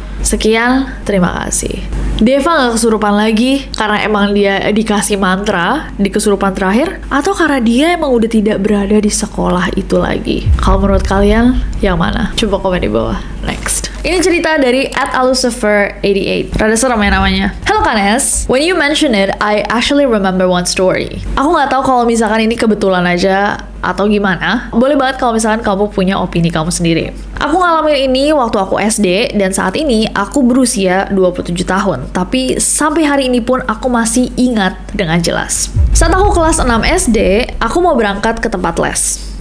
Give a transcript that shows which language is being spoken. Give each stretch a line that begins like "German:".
Indonesian: Sekian, terima kasih. Deva gak kesurupan lagi karena emang dia dikasih mantra di kesurupan terakhir, atau karena dia emang udah tidak berada di sekolah itu lagi? Kalau menurut kalian, yang mana? Coba komen di bawah. Next. Ini cerita dari @alucifer88. Rada serem ya namanya.
English: Hello Kanes, when you mention it, I actually remember one story.
Indonesian: Aku gak tahu kalau misalkan ini kebetulan aja atau gimana. Boleh banget kalau misalkan kamu punya opini kamu sendiri. Aku ngalamin ini waktu aku SD dan saat ini aku berusia 27 tahun. Tapi sampai hari ini pun aku masih ingat dengan jelas. Saat aku kelas 6 SD, aku mau berangkat ke tempat les.